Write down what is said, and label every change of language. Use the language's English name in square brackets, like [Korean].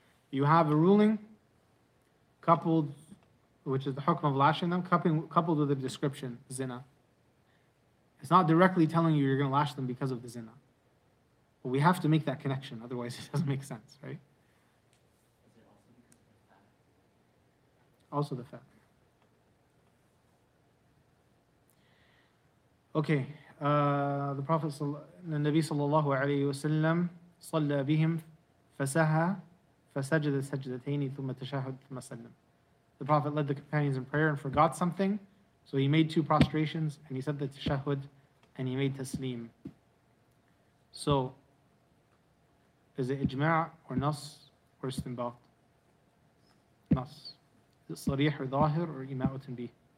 [English] You have a ruling coupled, which is the hukm of lashing them, coupled with the description, zina. It's not directly telling you you're going to lash them because of the zina. But we have to make that connection, otherwise it doesn't make sense, right? Is it also the fact. Okay. The Prophet, the Nabi [Arabic] sallallahu alayhi wa sallam, صلى بهم فسها فسجد سجدتين ثم تشهد ثم سلم. [English] The Prophet led the companions in prayer and forgot something, so he made two prostrations and he said the tashahud and he made taslim. So is it ijma' or nas or istinbat? Nas. Is it sarih or zahir or ima' wa tanbih?